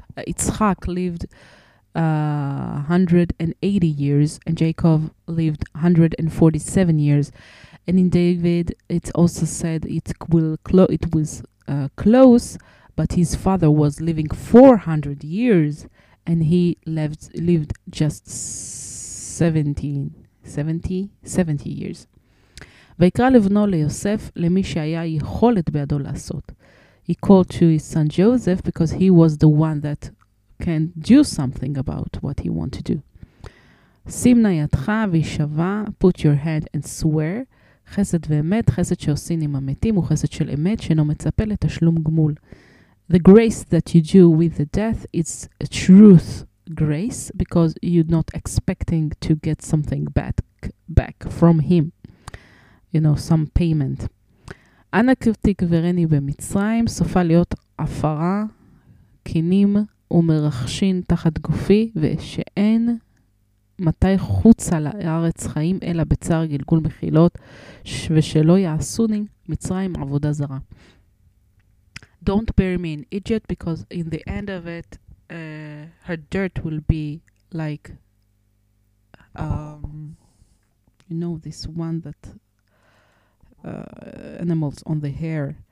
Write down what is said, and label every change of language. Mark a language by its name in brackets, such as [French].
[English] Yitzchak lived 180 years, and Jacob lived 147 years. And in David it's also said it was close, but his father was living 400 years, and he lived just 70 years. [Hebrew] ויקרא לבנו ליוסף, למי שהיה יכולת בידו לעשות. [English] He called to his son Joseph because he was the one that can do something about what he wanted to do. [Hebrew] שים נא ידך וישבה, [English] put your hand and swear, [Hebrew] חסד ואמת, חסד שעושים עם המתים, וחסד של אמת שאינו מצפה לתשלום גמול. [English] The grace that you do with the death is a truth grace, because you're not expecting to get something back from him, you know, some payment. [Hebrew] אנא תקברני במצרים, סופה להיות אפרה, קינים ומרחשים תחת גופי, ושאין מתי חוצה לארץ חיים אלא בצער גלגול מחילות, ושלא יעשוני מצרים עבודה זרה. [English] Don't bury me in Egypt, because in the end of it, her dirt will be like, you know, this one that animals on the hair,